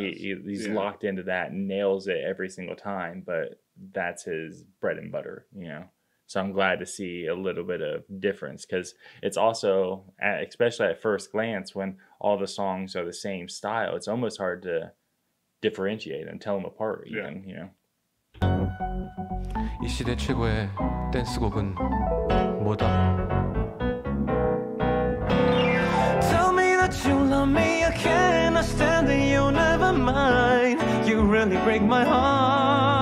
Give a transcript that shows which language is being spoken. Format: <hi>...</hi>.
<en>He's yeah, locked into that, nails it every single time, but that's his bread and butter, you know. So I'm glad to see a little bit of difference because it's also, especially at first glance, when all the songs are the same style, it's almost hard to differentiate and tell them apart, even, yeah, you know.</en> <ko>이 시대 최고의 댄스곡은 뭐다?</ko> <en>Tell me that you love me again. I stand that you'll never mind. You really break my heart.</en>